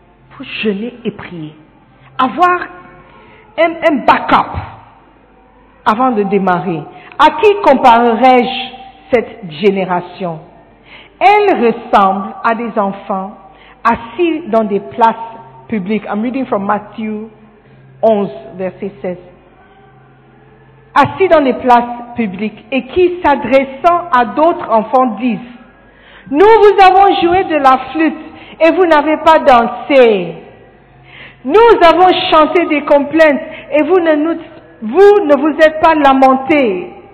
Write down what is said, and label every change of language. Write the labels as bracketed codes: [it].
[fr] Faut jeûner et prier. Avoir un backup avant de démarrer. À qui comparerais-je cette génération? Elle ressemble à des enfants assis dans des places publiques. [en] I'm reading from Matthew 11, verset 16. [fr] Assis dans des places publiques et qui, s'adressant à d'autres enfants, disent: nous vous avons joué de la flûte et vous n'avez pas dansé. Nous avons chanté des complaintes et vous ne vous êtes pas lamenté.